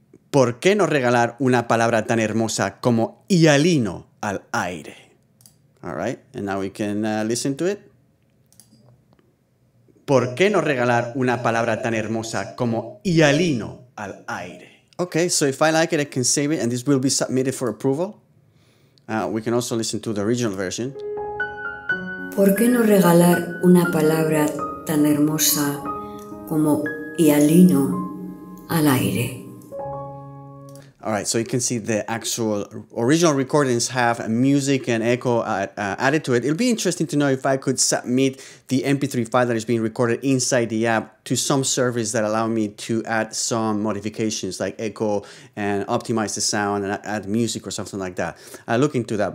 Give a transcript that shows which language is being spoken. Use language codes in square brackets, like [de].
[es] ¿Por qué no regalar una palabra tan hermosa como hialino al aire? [en] All right, and now we can listen to it. [es] ¿Por qué no regalar una palabra tan hermosa como hialino al aire? [en] Okay, so if I like it, I can save it, and this will be submitted for approval. We can also listen to the original version. [es] ¿Por qué no regalar una palabra tan hermosa como hialino al aire? [en] All right, so you can see the actual original recordings have music and echo added to it. It'll be interesting to know if I could submit the MP3 file that is being recorded inside the app to some service that allow me to add some modifications like echo and optimize the sound and add music or something like that. I'll look into that.